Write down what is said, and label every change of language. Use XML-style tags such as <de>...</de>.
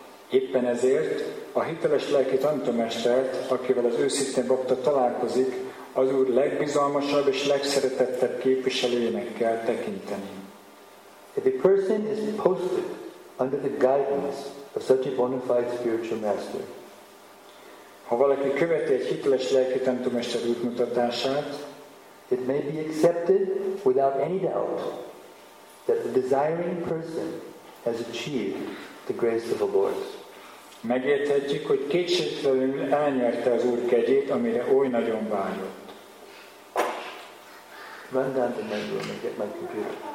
<hu>Éppen ezért a hiteles lelki tantramestert, akivel az őszinte bakta találkozik, az Úr legbizalmasabb és legszeretettebb képviselőjének kell tekinteni.</hu> <en>If a person is posted under the guidance of such a bona fide spiritual master,</en> <hu>ha valaki követi egy hiteles lelki tantramester útmutatását,</hu> <en>it may be accepted without any doubt that the desiring person has achieved the grace of the Lord.</en> <hu>Megérthetjük, hogy kétségtelenül elnyerte az Úr kegyét, amire oly nagyon vágyott.</hu> <en>Run down to my room and get my computer.</en>